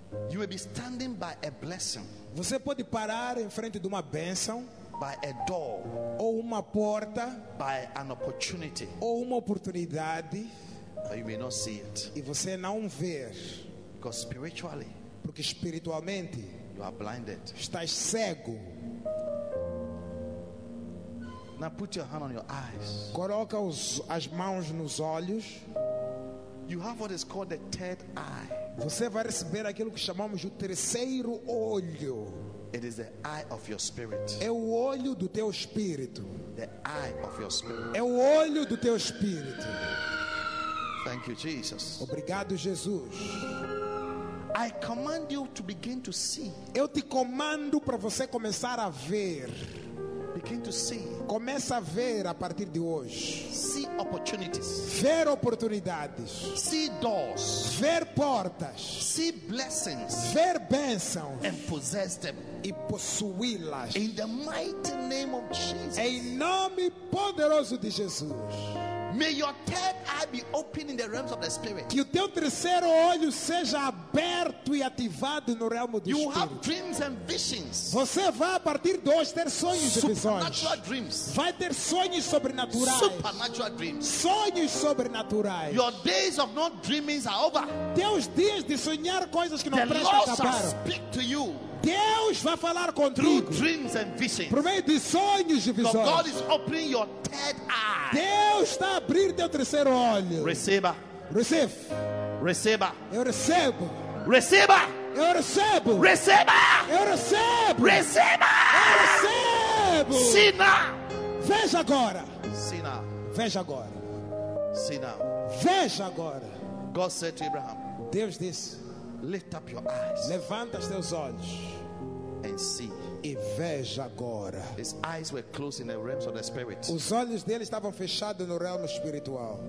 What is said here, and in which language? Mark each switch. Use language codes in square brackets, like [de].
[en] You will be standing by a blessing. [pt] Você pode parar em frente de uma bênção. [en] By a door. [pt] Ou uma porta. [en] By an opportunity. [pt] Ou uma oportunidade. [en] But you may not see it. [pt] E você não ver. [en] Because spiritually, [pt] porque espiritualmente, [en] you are blinded. [pt] Estás cego. [en] Now put your hand on your eyes. [pt] Coloca as mãos nos olhos. [en] You have what is called the third eye. [pt] Você vai receber aquilo que chamamos de terceiro olho. [en] It is the eye of your spirit. [pt] É o olho do teu espírito. [en] The eye of your spirit. [pt] É o olho do teu espírito. [en] Thank you, Jesus. [pt] Obrigado, Jesus. [en] I command you to begin to see. [pt] Eu te comando para você começar a ver. [en] Begin to see. [pt] Começa a ver a partir de hoje. [en] See opportunities. [pt] Ver oportunidades. [en] See doors. [pt] Ver portas. [en] See blessings. [pt] Ver bênçãos. [en] And possess them. [pt] E possuí-las. [en] In the mighty name of Jesus. [pt] Em nome poderoso de Jesus. [en] May your third eye be open in the realms of the spirit. [pt] Que o teu terceiro olho seja aberto e ativado no realm do [en] you [pt] espírito. [en] Have dreams and visions. [pt] Você vai a partir de hoje ter sonhos e visões. [en] Supernatural dreams. [pt] Vai ter sonhos sobrenaturais. [en] Supernatural dreams. [pt] Sonhos sobrenaturais. [en] Your days of not dreaming are over. [pt] Teus dias de sonhar coisas que não [en] the [pt] prestam acabaram. [en] Speak to you. [pt] Deus vai falar contigo [en] dreams and visions. [pt] Por meio de sonhos e visões. [en] God is opening your third eye. [pt] Deus está abrindo teu terceiro olho. Receba. [en] Receive. [pt] Receba. Eu recebo. Receba. Eu recebo. Receba. Eu recebo. Receba. Eu recebo. Sina. Veja agora. Sina. Veja agora. Sina. Veja agora. [en] God said to Abraham. [pt] Deus disse. [en] Lift up your eyes. [pt] Levanta os teus olhos. [en] And see. [pt] e veja agora. [en] His eyes were closed in the realms of the spirit. [pt] Os olhos dele estavam fechados no reino espiritual.